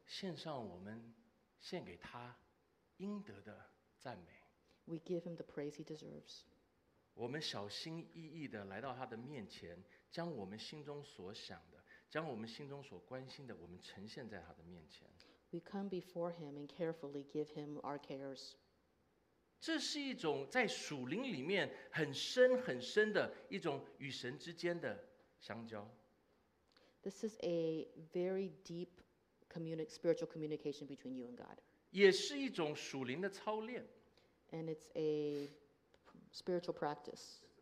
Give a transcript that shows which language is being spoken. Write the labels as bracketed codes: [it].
[zh] 献上我们献给他应得的赞美。 [en] We give him the praise he deserves. [zh] 我们小心翼翼地来到他的面前，将我们心中所想的，将我们心中所关心的，我们呈现在他的面前。 [en] We come before him and carefully give him our cares. [zh] 这是一种在属灵里面很深很深的一种与神之间的相交。 [en] This is a very deep spiritual communication between you and God. [zh] 也是一种属灵的操练。 [en] And it's a spiritual practice.